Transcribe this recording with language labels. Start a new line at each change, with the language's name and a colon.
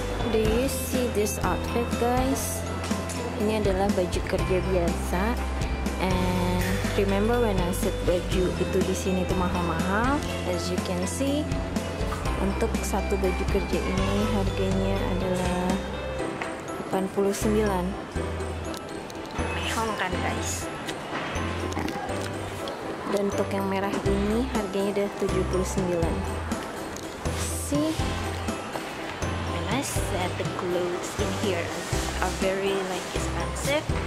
English: Do you see this outfit, guys?
Indonesian: Ini adalah baju kerja biasa.
English: And remember when I said
Indonesian: baju itu di sini tuh mahal-mahal?
English: As you can see,
Indonesian: untuk satu baju kerja ini harganya adalah 89. Mahal kan, guys? Dan untuk yang merah ini harganya udah 79.
English: See? That the clothes in here are very like expensive.